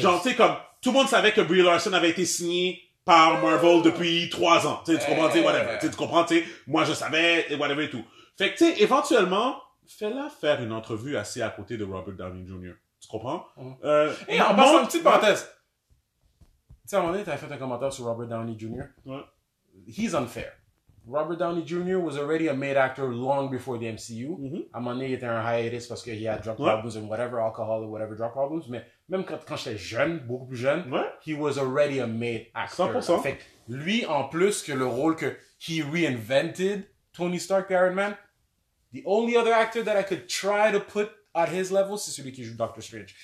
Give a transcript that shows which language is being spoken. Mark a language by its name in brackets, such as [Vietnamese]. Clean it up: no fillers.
[French] Genre, tu sais, comme, tout le monde savait que Brie Larson avait été signée par Marvel depuis 3 ans, tu sais, tu comprends, tu sais, whatever, tu sais, tu comprends, tu sais, moi, je savais, et whatever, et tout. Fait que, tu sais, éventuellement... Fais-la faire une entrevue assez à côté de Robert Downey Jr. Tu comprends? Mmh. Et en passant, une petite parenthèse. Tu sais, à un moment donné, t'as fait un commentaire sur Robert Downey Jr. Ouais. [English] He's unfair. Robert Downey Jr. was already a made actor long before the MCU. [French] À un moment donné, il était en hiatus parce qu'il a [English] drug problems and whatever, alcohol or whatever drug problems. [French] Mais même quand j'étais jeune, beaucoup plus jeune, [English] he was already a made actor. [French] 100%. Fait, lui, en plus que le rôle que [English] he reinvented, Tony Stark, Iron Man, the only other actor that I could try to put at his level, [French] c'est celui qui joue [English] Doctor Strange.